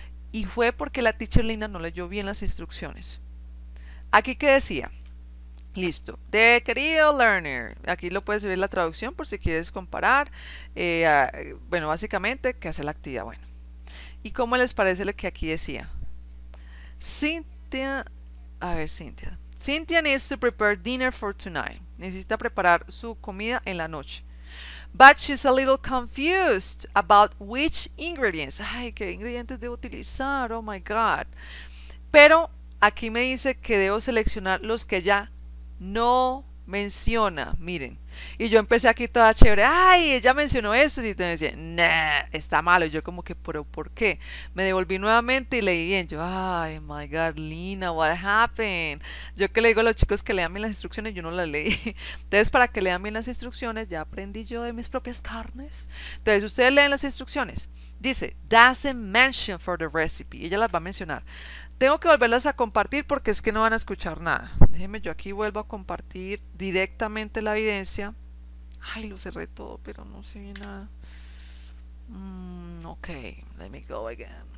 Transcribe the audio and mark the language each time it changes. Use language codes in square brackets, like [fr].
[es] Y fue porque la teacher Lina no leyó bien las instrucciones. Aquí que decía, listo, de querido learner, aquí lo puedes ver la traducción por si quieres comparar, bueno, básicamente, ¿qué hace la actividad? Bueno, ¿y cómo les parece lo que aquí decía? Cynthia, a ver, Cynthia. [en] Cynthia needs to prepare dinner for tonight. [es] Necesita preparar su comida en la noche. [en] But she's a little confused about which ingredients. [es] Ay, ¿qué ingredientes debo utilizar? [en] Oh my God. [es] Pero aquí me dice que debo seleccionar los que ya no menciona. Miren, Y yo empecé aquí toda chévere, ay, ella mencionó esto, y te decía, nah, está malo. Y yo como que, pero ¿por qué? Me devolví nuevamente y leí bien. [en] Yo, ay, my girlina, what happened? [es] Yo que le digo a los chicos que lean bien las instrucciones, yo no las leí. Entonces, para que lean bien las instrucciones, ya aprendí yo de mis propias carnes. Entonces, ustedes leen las instrucciones. [en] Dice, doesn't mention for the recipe. [es] Y ella las va a mencionar. Tengo que volverlas a compartir porque es que no van a escuchar nada. Déjenme, yo aquí vuelvo a compartir directamente la evidencia. Ay, lo cerré todo, pero no se ve nada. [en] Ok, let me go again.